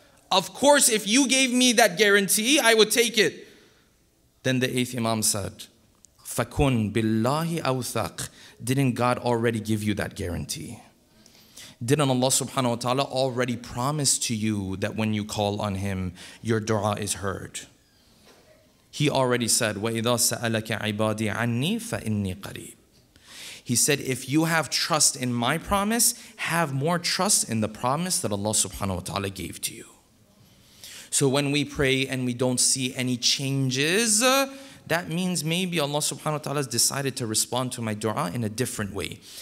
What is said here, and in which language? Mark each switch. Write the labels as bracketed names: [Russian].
[English] Of course, if you gave me that guarantee, I would take it. Then the eighth Imam said, [Arabic] Fakun billahi awthaq. [English] Didn't God already give you that guarantee? Didn't Allah subhanahu wa ta'ala already promise to you that when you call on Him, your dua is heard? He already said, [Arabic] وَإِذَا سَأَلَكَ عِبَادِي عَنِّي فَإِنِّي قَرِيبٌ. [English] He said, if you have trust in my promise, have more trust in the promise that Allah subhanahu wa ta'ala gave to you. So when we pray and we don't see any changes, that means maybe Allah subhanahu wa ta'ala has decided to respond to my dua in a different way.